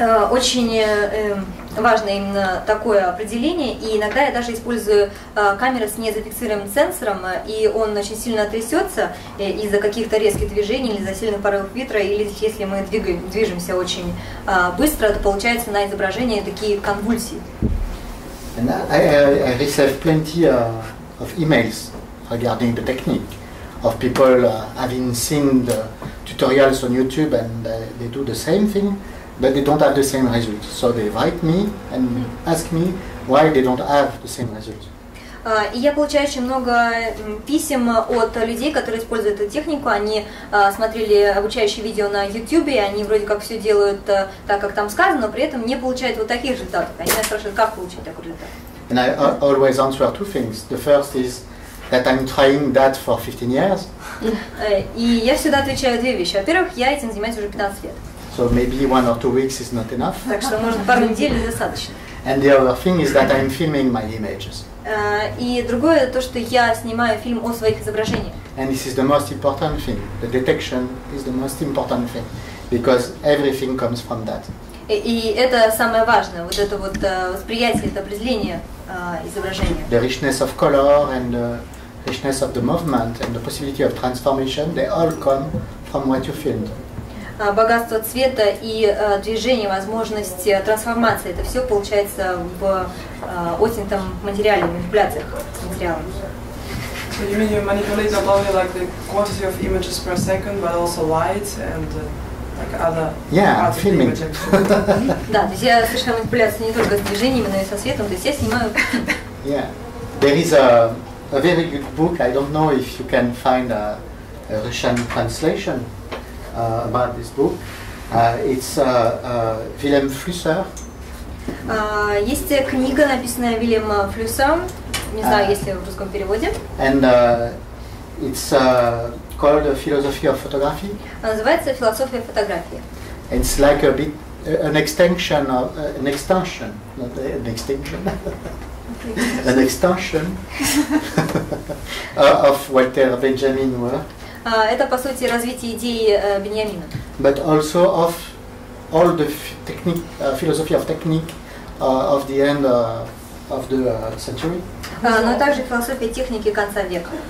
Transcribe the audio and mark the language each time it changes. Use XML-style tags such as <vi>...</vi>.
<ru>Очень важно именно такое определение, и иногда я даже использую камеру с незафиксированным сенсором, и он очень сильно трясется из-за каких-то резких движений, или из-за сильных порывов ветра, или если мы движемся очень быстро, то получается на изображении такие конвульсии.</ru> <en>And I receive plenty of emails regarding the technique of people having seen the tutorials on YouTube and they do the same thing. But they don't have the same result. So they write me and ask me why they don't have the same result.</en> <ru>И я получаю очень много писем от людей, которые используют эту технику. Они смотрели обучающие видео на YouTube, и они вроде как все делают так, как там сказано, но при этом не получают вот таких результатов. Они меня спрашивают, как получить такой результат.</ru> <en>And I always answer two things. The first is that I'm trying that for 15 years.</en> <ru>И я всегда отвечаю две вещи. Во-первых, я этим занимаюсь уже 15 лет.</ru> <en>So maybe one or two weeks is not enough.</en> <ru>Так что, может, пару недель достаточно.</ru> <en>And the other thing is that I'm filming my images.</en> <ru>И другое то, что я снимаю фильм о своих изображениях.</ru> <en>And this is the most important thing. The detection is the most important thing, because everything comes from that.</en> <ru>И это самое важное, вот это вот восприятие, это определение изображения.</ru> <en>The richness of color and the richness of the movement and the possibility of transformation, they all come from what you filmed.</en> <ru>Богатство цвета и движение, возможность трансформации, это все получается в отснятом материале, в вибрациях материала.</ru> <en>So you mean you manipulate not only like the quantity of images per second, but also light and like other yeah, filming.</en> <ru>Да, то есть я совершаю манипуляции не только с движениями, но и со светом, то есть я снимаю.</ru> <en>Yeah, there is a very good book. I don't know if you can find a Russian translation. About this book, it's Wilhelm Flusser.</en> <ru>Есть книга, написанная Вильям Флюсером, не знаю, есть ли в русском переводе.</ru> <en>And it's called The Philosophy of Photography.</en> <ru>Называется «Философия фотографии».</ru> <en>It's like a bit an extension of an extension, not an extension, an extension of Walter Benjamin's work.</en> <ru>Это, по сути, развитие идеи Беньямина.</ru> <en>But also of all the technique, philosophy of technique of the end of the century.</en> <ru>Но также философия техники конца века.</ru>